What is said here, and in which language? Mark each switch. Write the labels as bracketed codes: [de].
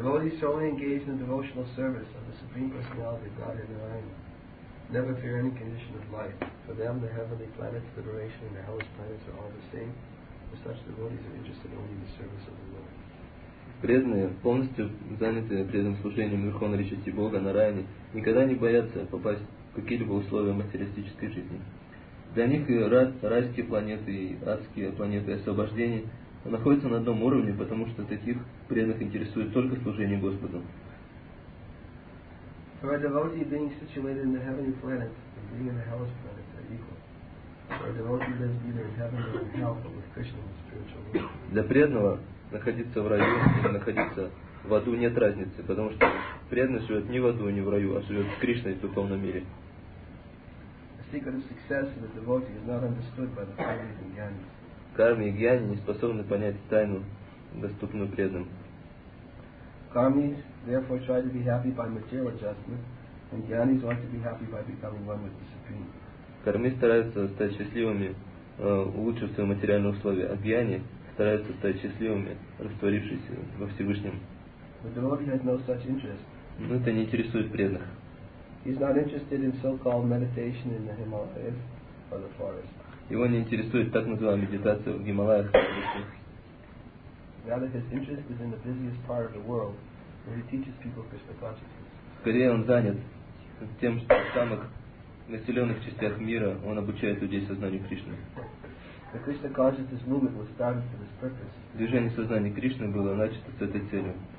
[en] Devotees solely engaged in the devotional service of the Supreme Personality of Godhead Narayana. Never fear any condition of life. For them, the heavenly planets, liberation, and the hellish planets are all the same. For such devotees are interested only in the service of the Lord. [ru] Преданные, полностью заняты преданным служением Верховной Личности Бога Нараяны, никогда не боятся попасть в какие-либо условия материалистической жизни. Для них и райские планеты, и адские планеты освобождения находятся на одном уровне, потому что таких преданных интересует только служение Господу. [en] For a devotee being situated in the heavenly planet and being in the hellish planet are equal. For a devotee lives either in heaven or in hell, but with Krishna in the spiritual world. [ru] Для преданного находиться в раю или находиться в аду нет разницы, потому что преданный живет не в аду, не в раю, а живет с Кришной в духовном мире. [en] The secret of success of the devotee is not understood by the Pandits and Gyanis. [ru] Карми и гьяни не способны понять тайну, доступную преданным. [en] Кармис, therefore, try to be happy by material adjustment, and gyanis want to be happy by becoming one with the Supreme. [ru] Карми стараются стать счастливыми, улучшив свои материальные условия, а гьяни стараются стать счастливыми, растворившись во Всевышнем. [en] But the devotee has no such interest. [ru] Но это не интересует преданных. [en] He's not interested in so-called meditation in the Himalayas or the forest. [ru] Его не интересует так называемая медитация в Гималаях. [en] Rather, his interest is in the busiest part of the world, where he teaches people Krishna consciousness. [ru] Скорее он занят тем, что в самых населенных частях мира он обучает людей сознанию Кришны. [en] The Krishna consciousness movement was started for this purpose. [ru] Движение сознания Кришны было начато с этой целью.